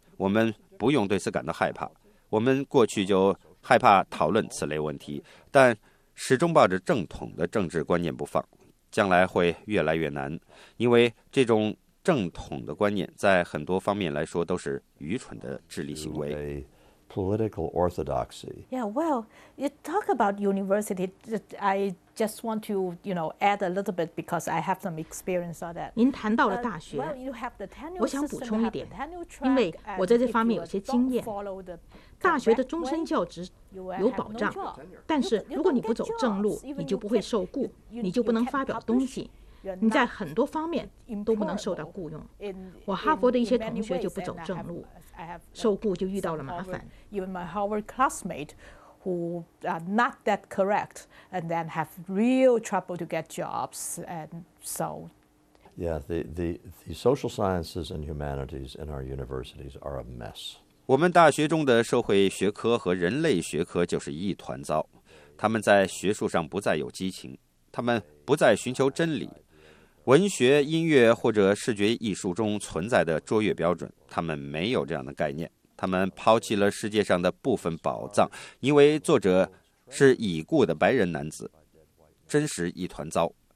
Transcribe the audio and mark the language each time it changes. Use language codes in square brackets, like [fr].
[zh] 我们不用对此感到害怕，我们过去就害怕讨论此类问题，但始终抱着正统的政治观念不放。将来会越来越难，因为这种正统的观念在很多方面来说都是愚蠢的智力行为。 [en] Political orthodoxy. Yeah, well, you talk about university. I just want to, you know, add a little bit because I have some experience on that. [zh] 您谈到了大学，我想补充一点，因为我在这方面有些经验。大学的终身教职有保障，但是如果你不走正路，你就不会受雇，你就不能发表东西。你在很多方面都不能受到雇佣。我哈佛的一些同学就不走正路，受雇就遇到了麻烦。 [en] Even my Harvard classmate, who are not that correct, and then have real trouble to get jobs, and so. Yeah, the social sciences and humanities in our universities are a mess. [zh] 我们大学中的社会学科和人类学科就是一团糟，他们在学术上不再有激情，他们不再寻求真理。文学、音乐或者视觉艺术中存在的卓越标准，他们没有这样的概念。他们抛弃了世界上的部分宝藏，因为作者是已故的白人男子，真是一团糟。